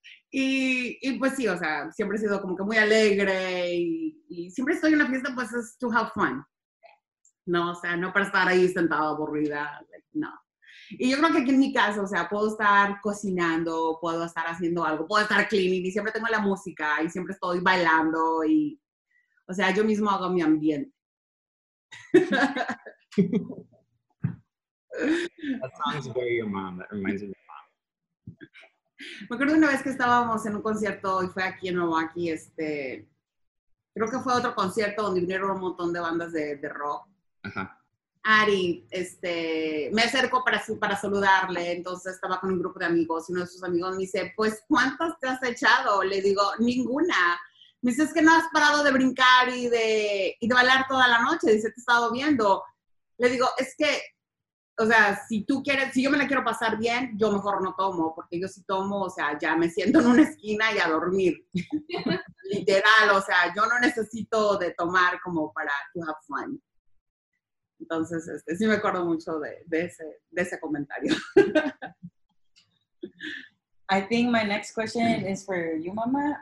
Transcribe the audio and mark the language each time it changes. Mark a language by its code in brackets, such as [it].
[es] Y pues sí, o sea, siempre he sido como que muy alegre y siempre estoy en la fiesta, pues, es [en] to have fun. [es] No, o sea, no para estar ahí sentada aburrida, like, no. Y yo creo que aquí en mi casa, o sea, puedo estar cocinando, puedo estar haciendo algo, puedo estar cleaning y siempre tengo la música y siempre estoy bailando y, o sea, yo mismo hago mi ambiente. [en] That sounds very your mom, that reminds me of your mom. [es] Me acuerdo una vez que estábamos en un concierto y fue aquí en Milwaukee, creo que fue otro concierto donde vinieron un montón de bandas de rock. Ajá. Uh-huh. Ari, me acerco para saludarle, entonces estaba con un grupo de amigos y uno de sus amigos me dice, pues, ¿cuántas te has echado? Le digo, ninguna. Me dice, es que no has parado de brincar y de bailar toda la noche, dice, te he estado viendo. Le digo, es que, o sea, si tú quieres, si yo me la quiero pasar bien, yo mejor no tomo, porque yo sí tomo, o sea, ya me siento en una esquina y a dormir. Literal, o sea, yo no necesito de tomar como para [en] to have fun. [es] Entonces, sí me acuerdo mucho de ese comentario. [en] I think my next question is for you, Mama.